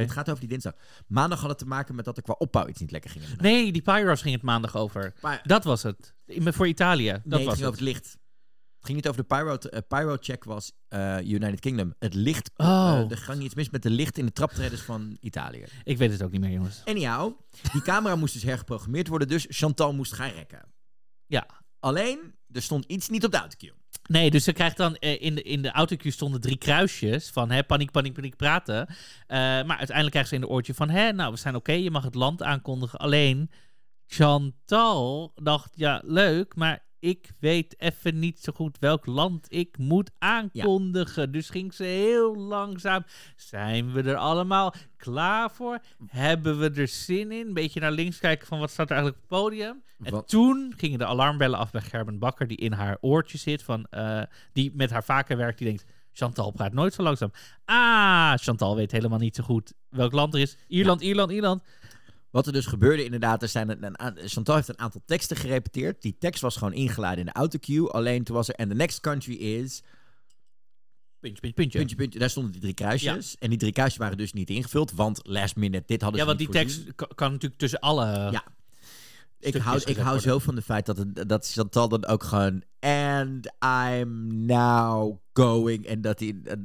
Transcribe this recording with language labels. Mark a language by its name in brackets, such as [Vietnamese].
[Dutch] Het gaat over die dinsdag. Maandag had het te maken met dat er qua opbouw iets niet lekker ging. Nee, die pyros ging het maandag over. Dat was het. Voor Italië. Het ging over het licht. Het ging niet over de pyro. Pyro check was United Kingdom. Het licht. Er ging iets mis met de licht in de traptreders van Italië. Ik weet het ook niet meer, jongens. Anyhow, die camera moest dus hergeprogrammeerd worden, dus Chantal moest gaan rekken. Ja. Alleen, er stond iets niet op de autocue. Nee, dus ze krijgt dan in de autocue stonden 3 kruisjes van hè, paniek, paniek, paniek, praten. Maar uiteindelijk krijgt ze in de oortje van hè, nou, we zijn oké, je mag het land aankondigen. Alleen, Chantal dacht, ja, leuk, maar ik weet even niet zo goed welk land ik moet aankondigen. Ja. Dus ging ze heel langzaam. Zijn we er allemaal klaar voor? Hebben we er zin in? Een beetje naar links kijken van wat staat er eigenlijk op het podium. En toen gingen de alarmbellen af bij Gerben Bakker, die in haar oortje zit, van die met haar vaker werkt, die denkt... Chantal praat nooit zo langzaam. Ah, Chantal weet helemaal niet zo goed welk land er is. Ierland, ja. Ierland. Wat er dus gebeurde inderdaad, er zijn Chantal heeft een aantal teksten gerepeteerd. Die tekst was gewoon ingeladen in de autocue. Alleen toen was er, [English] and the next country is... [Dutch] Puntje. Daar stonden die drie kruisjes. Ja. En die drie kruisjes waren dus niet ingevuld, want last minute, dit hadden ze niet voorzien. Ja, want die tekst kan natuurlijk tussen alle... Ja. Ik hou zo van de feit dat Chantal dan ook gewoon... [English] And I'm now going. [Dutch] En dat hij...